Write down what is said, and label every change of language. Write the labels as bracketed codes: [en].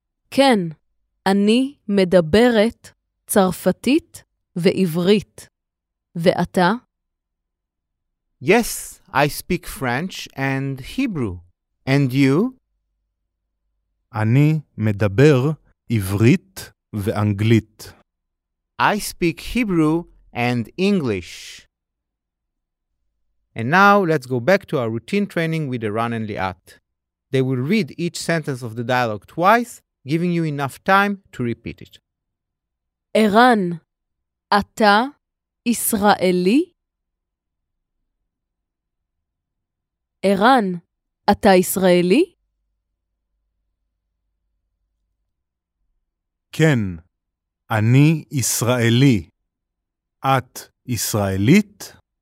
[he] כן, אני מדברת צרפתית ועברית. ואתה? [en] Yes, I speak French and Hebrew. And you? [he] אני מדבר עברית ואנגלית. [en] I speak Hebrew and English. And now let's go back to our routine training with Iran and Liat. They will read each sentence of the dialogue twice, giving you enough time to repeat it. [he] Iran, אתה ישראלי? ערן, אתה ישראלי? כן, אני ישראלי. את ישראלית?